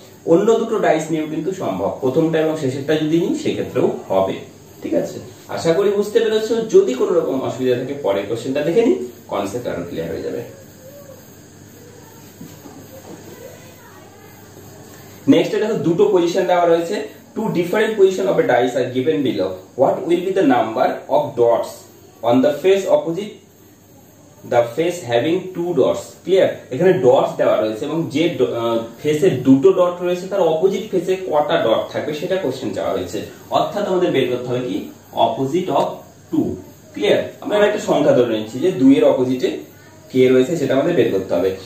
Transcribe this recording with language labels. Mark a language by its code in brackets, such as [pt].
[bn] অন্য দুটো ডাইস নিও কিন্তু সম্ভব প্রথমটা এবং শেষেরটা যদি নিই সেই ক্ষেত্রেও হবে ঠিক আছে আশা করি বুঝতে পেরেছো যদি কোনো রকম অসুবিধা থাকে পরের কোশ্চেনটা দেখে নিন কনসেপ্ট আরো ক্লিয়ার হয়ে যাবে নেক্সট এটা দুটো পজিশন দেওয়া রয়েছে [en] Two different positions of a dice are given below. What will be the number of dots on the face opposite the face having two dots? Clear? [bn] এখানে dots দেওয়া রয়েছে এবং যে face দুটো dot রয়েছে তার opposite face কটা dot থাকবে সেটা question দেওয়া রয়েছে। অর্থাৎ আমাদের বের করতে হবে কি [en] opposite of two. Clear? [bn] আমরা একটা সংখ্যা ধরে নিচ্ছি যে দুই এর opposite কে রয়েছে সেটা আমাদের বের করতে হবে।